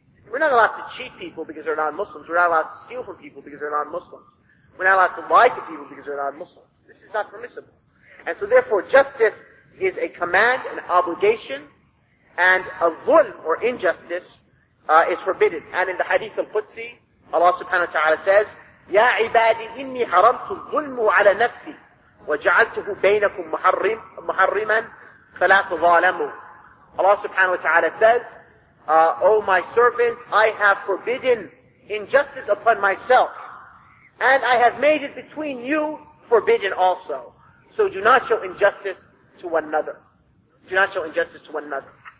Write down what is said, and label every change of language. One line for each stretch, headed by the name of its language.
English: We're not allowed to cheat people because they're non-Muslims. We're not allowed to steal from people because they're non-Muslims. We're not allowed to lie to people because they're non-Muslims. This is not permissible. And so therefore, justice is a command, an obligation, and a dhulm, or injustice, is forbidden. And in the Hadith al-Qudsi, Allah subhanahu wa ta'ala says,
Arabic: يَا عِبَادِ إِنِّي حَرَمْتُ الظُّلْمُ عَلَى نَفْسِي وَجَعَلْتُهُ بَيْنَكُمْ مُحَرِّمًا فَلَا تُظَالَمُوا.
English: Allah subhanahu wa ta'ala says, O my servant, I have forbidden injustice upon myself, and I have made it between you forbidden also. So do not show injustice to one another. Do not show injustice to one another.